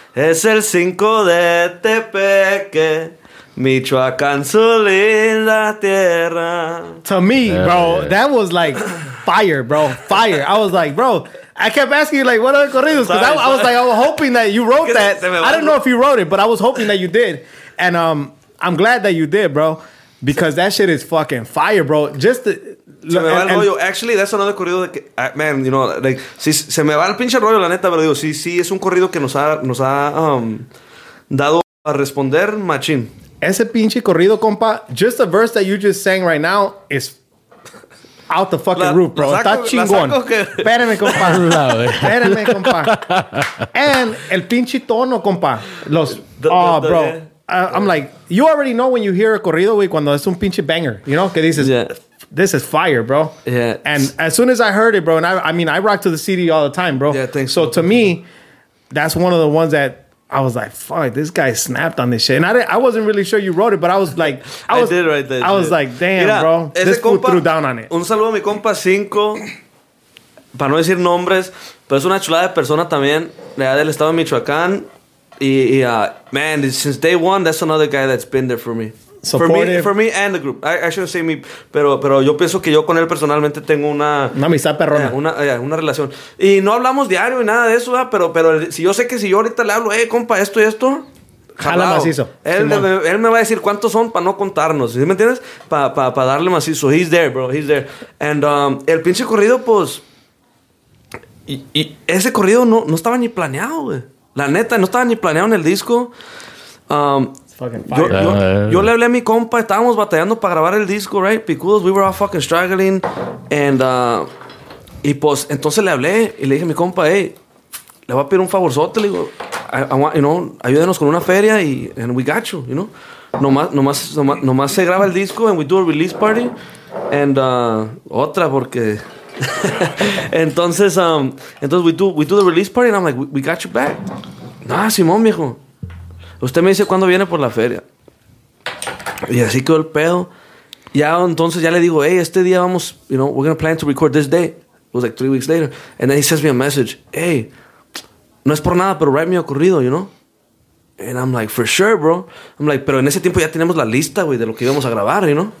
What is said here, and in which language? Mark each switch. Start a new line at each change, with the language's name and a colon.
Spanish: Es el 5 de Tepeque, Michoacán, su linda tierra.
English: To me, hell bro, yeah. That was like fire, bro. Fire. I was like, bro... I kept asking you, like, what are the corridos? Because I was like, I was hoping that you wrote that. I don't know if you wrote it, but I was hoping that you did. And I'm glad that you did, bro. Because that shit is fucking fire, bro. Just the... Actually, that's another corrido that... Man, you know, like...
Spanish: Si, se me va el pinche rollo, la neta, pero digo, sí, sí, es un corrido que nos ha dado a responder, machín. Ese pinche corrido, compa,
English: just the verse that you just sang right now is... Out the fucking roof, bro.
Spanish: Está chingón. Espérame, compa. Espérame, compa. And el pinche tono, compa. Bro. Yeah.
English: I'm like, you already know when you hear a corrido, güey,
Spanish: cuando es un pinche banger.
English: You know? Que dices, yeah. This is fire, bro. Yeah. And as soon as I heard it, bro, and I mean, I rock to the CD all the time, bro. Yeah, thanks. So to me, that's one of the ones that I was like, fuck, this guy snapped on this shit. And I wasn't really sure you wrote it, but I was like... I did write that I was shit. Like, damn, mira, bro. This compa, fool threw down on it.
Spanish: Un saludo a mi compa 5, para no decir nombres, pero es una chulada de persona también, del estado de Michoacán.
English: Man, since day one, that's another guy that's been there for me. Supportive. For me and the group. I shouldn't say me,
Spanish: pero yo pienso que yo con él personalmente tengo una... Una amistad perrona. Una relación. Y no hablamos diario y nada de eso, ¿verdad? Pero si yo sé que si yo ahorita le hablo, compa, esto y esto... Jala macizo. Él me va a decir cuántos son para no contarnos, ¿sí me entiendes? Para darle macizo.
English: He's there, bro. He's there.
Spanish: And el pinche corrido, pues... Y ese corrido no estaba ni planeado, güey. La neta, no estaba ni planeado en el disco.
English: Fucking fire.
Spanish: Yo le hablé a mi compa, estábamos batallando para grabar el disco, right?
English: Picudos, we were all fucking struggling.
Spanish: And, y pues, entonces le hablé y le dije a mi compa, hey, le voy a pedir un favorzote. Le digo,
English: I want, you know,
Spanish: ayúdenos con una feria y
English: and we got you, you know?
Spanish: Nomás se graba el disco
English: and we do a release party.
Spanish: And, otra porque...
English: entonces we do the release party and I'm like, we got you back.
Spanish: Nah, Simón, mijo. Usted me dice cuándo viene por la feria. Y así quedó el pedo. Ya entonces ya le digo, hey, este día vamos,
English: you know, we're going to plan to record this day. It was like 3 weeks later. And then he sends me a message. Hey,
Spanish: no es por nada, pero
English: write me a corrido, you know? And I'm like, for sure, bro.
Spanish: I'm like, pero en ese tiempo ya teníamos la lista, güey, de lo que íbamos a grabar,
English: you know?